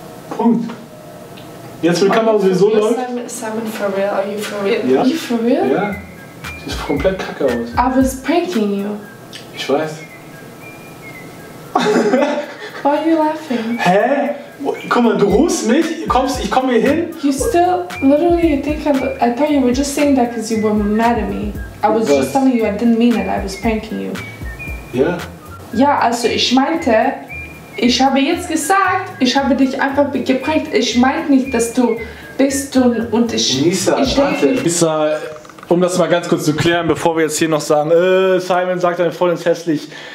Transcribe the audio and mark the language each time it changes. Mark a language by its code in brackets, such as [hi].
[de] Punkt. Jetzt will Kamera sowieso läuft. [en] Simon for real, are you for real? [de] Ja. [en] Are you for real? [de] Ja. Sieht komplett kacke aus. [en] I was pranking you. [de] Ich weiß. [en] Why are you laughing? Hä? [de] Guck mal, du rufst mich, kommst, ich komme hier hin. [en] You still, literally, you think I'm, I thought you were just saying that because you were mad at me. I was just telling you, I didn't mean it, I was pranking you. [de] Ja. Ja, also ich meinte, ich habe jetzt gesagt, ich habe dich einfach geprankt. Ich meinte nicht, dass du bist und ich... Nisa, ich warte. Nisa, um das mal ganz kurz zu klären, bevor wir jetzt hier noch sagen, Simon sagt deine Freundin ist hässlich.